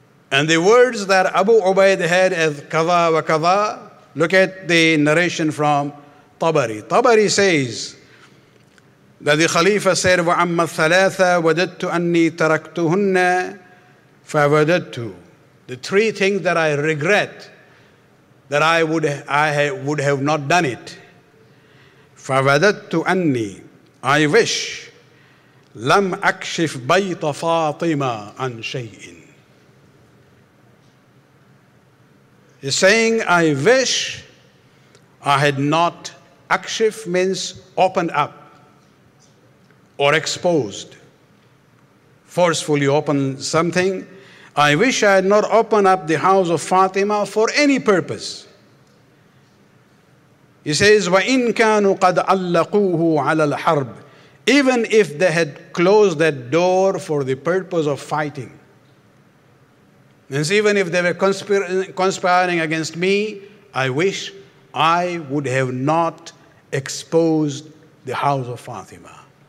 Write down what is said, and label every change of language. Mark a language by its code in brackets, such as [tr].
[en] And the words that Abu Ubaid had as kaza wa kaza, look at the narration from Tabari. Tabari says that the Khalifa said, [ar] wa amma thalatha wadadtu anni taraktuhunna fawadadtu. [en] The three things that I regret, that I would have not done it. [ar] فَوَدَدْتُ أَنِّي [en] I wish [ar] لَمْ أَكْشِفْ بَيْتَ فَاطِمَا عَنْ شَيْءٍ. [en] He's saying, I wish I had not, akshif means opened up or exposed. Forcefully open something. I wish I had not opened up the house of Fatima for any purpose. He says, [ar] وَإِنْ كَانُوا قَدْ عَلَّقُوهُ عَلَى الْحَرْبِ. [en] Even if they had closed that door for the purpose of fighting. Means even if they were conspiring against me, I wish I would have not exposed the house of Fatima.